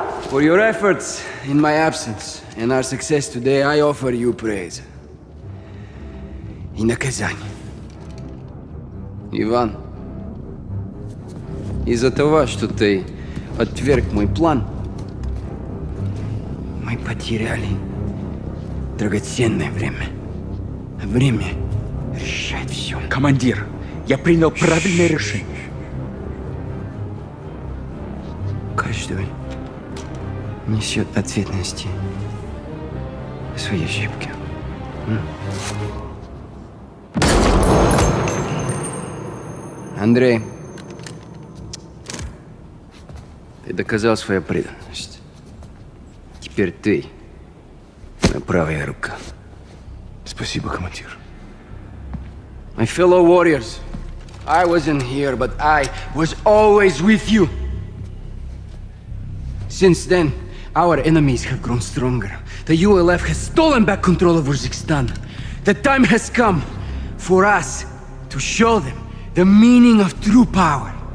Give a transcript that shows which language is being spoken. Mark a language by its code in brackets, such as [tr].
[en] For your efforts in my absence and our success today, I offer you praise. [ru] И наказание. Иван, из-за того, что ты отверг мой план, мы потеряли драгоценное время. Время решать все. Командир, я принял правильное решение. Каждый несет ответственность за свои ошибки. Андрей, ты доказал свою преданность. Теперь ты моя правая рука. Спасибо, командир. [en] My fellow warriors, I wasn't here, but I was always with you. Since then, our enemies have grown stronger. The ULF has stolen back control of Uzbekistan. The time has come for us to show them the meaning of true power.